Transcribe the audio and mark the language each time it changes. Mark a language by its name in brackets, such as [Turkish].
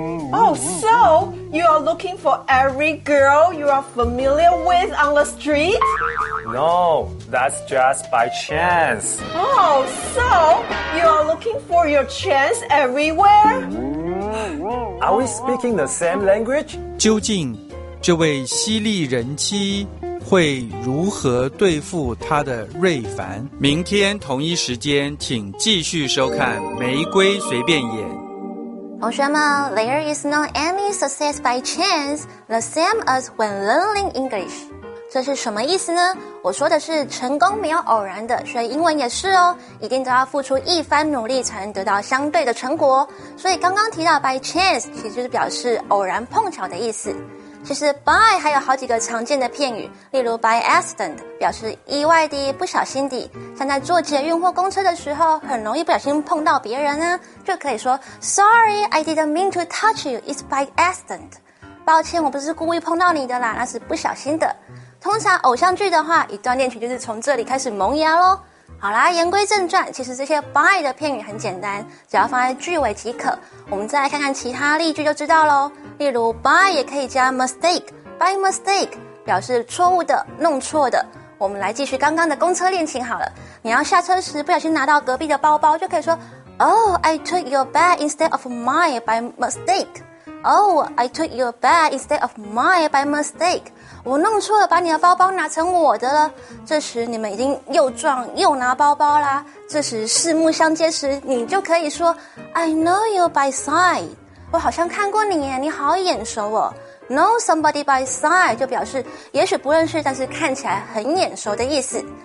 [English] Oh, so you are looking for every girl you are familiar with on the street? No, that's just by chance. Oh, so you are looking for your chance everywhere? Are we speaking the same language? [Chinese] 究竟这位犀利人妻会如何对付他的瑞凡？明天同一时间，请继续收看《玫瑰随便演》。同学们 [English] ，There is not any success by chance, the same as when learning English. [Chinese] 这是什么意思呢？我说的是成功没有偶然的，学英文也是哦，一定都要付出一番努力才能得到相对的成果。所以刚刚提到 by chance 其实就是表示偶然碰巧的意思。其实 by 还有好几个常见的片语，例如 by accident 表示意外的、不小心的，像在坐捷运或公车的时候，很容易不小心碰到别人呢，就可以说 [English] Sorry, I didn't mean to touch you. It's by accident. [Chinese] 抱歉，我不是故意碰到你的啦，那是不小心的。通常偶像剧的话，一段恋情就是从这里开始萌芽咯。好啦，言归正传，其实这些 by 的片语很简单，只要放在句尾即可。我们再来看看其他例句就知道咯。例如 by 也可以加 mistake， by mistake 表示错误的、弄错的。我们来继续刚刚的公车恋情好了。你要下车时不小心拿到隔壁的包包，就可以说 [English] Oh, I took your bag instead of mine by mistake. Oh, I took your bag instead of mine by mistake. [Chinese] 我弄错了，把你的包包拿成我的了。这时你们已经又撞又拿包包啦。这时四目相接时，你就可以说 [English] I know you by sight. [Chinese] 我好像看过你耶，你好眼熟哦。 [English] Know somebody by sight [Chinese] 就表示也许不认识，但是看起来很眼熟的意思。